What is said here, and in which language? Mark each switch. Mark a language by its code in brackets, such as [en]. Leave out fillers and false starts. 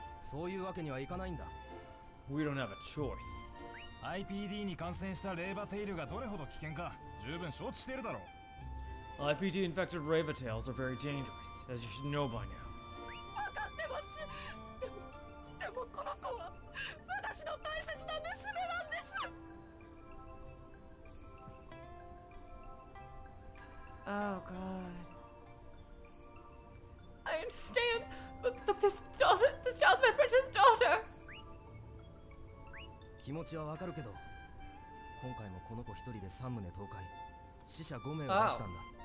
[ja] そういうわけにはいかないんだ。 [en] We don't have a choice. [ja] IPD に感染したレイバテイルがどれほど危険か十分承知しているだろう。 [en] IPD infected Reva Tails are very dangerous, as you should know by now. [ja] わかってます。でも、でもこの子は私の大切な娘なんです。 [en] Oh god. I understand, but this daughter, this child's my precious daughter. [ja] 気持ちはわかるけど、今回もこの子一人で三棟倒壊、死者5名を出したんだ。